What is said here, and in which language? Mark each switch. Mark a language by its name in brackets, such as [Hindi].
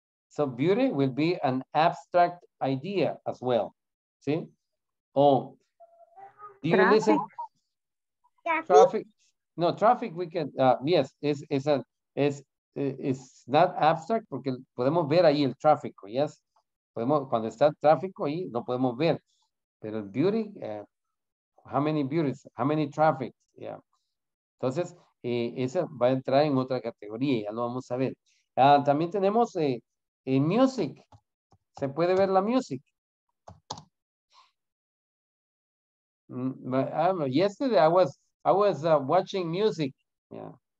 [English] So beauty will be an abstract idea as well. [Spanish] Sí. O, [English] do you listen? Traffic. No, traffic we can, yes, it's not abstract [Spanish] porque podemos ver ahí el tráfico, [English] yes. [Spanish] Podemos, cuando está el tráfico ahí, lo podemos ver. Pero el [English] beauty, how many beauties, how many traffic, yeah. [Spanish] Entonces, esa va a entrar en otra categoría, ya lo vamos a ver. También tenemos music. ¿Se puede ver la music? [English] Yesterday I was watching music. Yeah.